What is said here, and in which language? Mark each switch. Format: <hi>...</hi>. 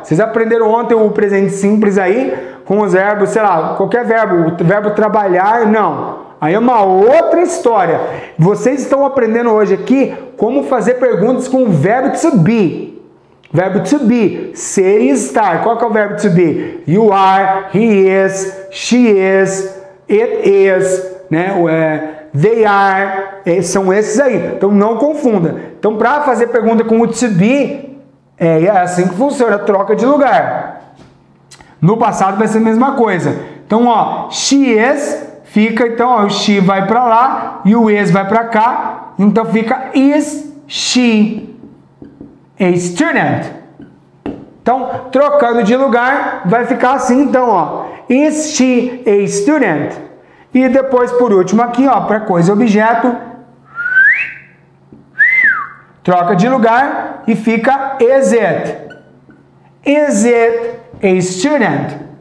<pt>Vocês aprenderam ontem o presente simples aí, com os verbos, sei lá, qualquer verbo. O verbo trabalhar, não. Aí é uma outra história. Vocês estão aprendendo hoje aqui como fazer perguntas com o verbo to be. Verbo to be, ser e estar. Qual que é o verbo to be?</pt> <en>You are, he is, she is, it is, né? They are,</en> <pt>são esses aí. Então, não confunda. Então, para fazer pergunta com o to be, é assim que funciona, troca de lugar. No passado vai ser a mesma coisa. Então, ó,</pt> <en>she is,</en> <pt>fica, então, ó, o she vai para lá e o is vai para cá. Então, fica</pt> <en>is she a student.</en> <pt>Então, trocando de lugar, vai ficar assim, então, ó.</pt> <en>Is she a student?</en> <pt>E depois, por último, aqui, ó, para coisa e objeto. Troca de lugar e fica</pt> <en>is it. Is it a student?</en>